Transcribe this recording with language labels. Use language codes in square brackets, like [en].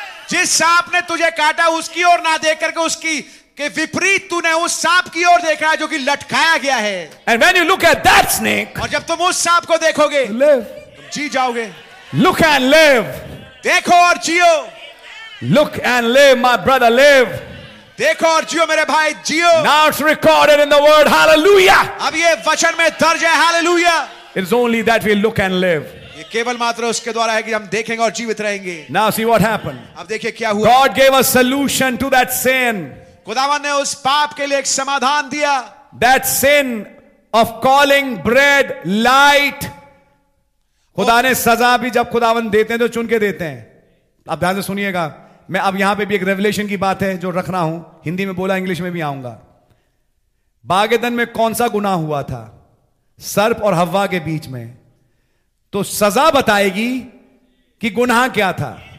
[hi] जिस सांप ने तुझे काटा उसकी ओर ना देख करके उसकी के विपरीत तूने उस सांप की ओर देखा जो कि लटकाया गया है. [en] and when you look at that snake, [hi] और जब तुम उस सांप को देखोगे [en] live, [hi] जी जाओगे. [en] look and live, [hi] देखो और जियो. [en] look and live my brother, live, [hi] देखो और जियो मेरे भाई, जियो. [en] Now it's recorded in the word, hallelujah. [hi] अब ये वचन में दर्ज है, hallelujah. [en] it's only that we look and live, [hi] केवल मात्र उसके द्वारा है कि हम देखेंगे और जीवित रहेंगे. [en] Now see what happened. [hi] अब देखिए क्या हुआ. [en] God gave a solution to that sin. [hi] खुदावन ने उस पाप के लिए एक समाधान दिया. [en] That sin of calling bread light. [hi] खुदा ने सजा भी जब खुदावन देते हैं तो चुन के देते हैं. अब ध्यान से सुनिएगा, मैं अब यहां पे भी एक रेवलेशन की बात है जो रख रहा हूं, हिंदी में बोला इंग्लिश में भी आऊंगा. बागेदन में कौन सा गुनाह हुआ था, सर्प और हवा के बीच में, तो सजा बताएगी कि गुनाह क्या था.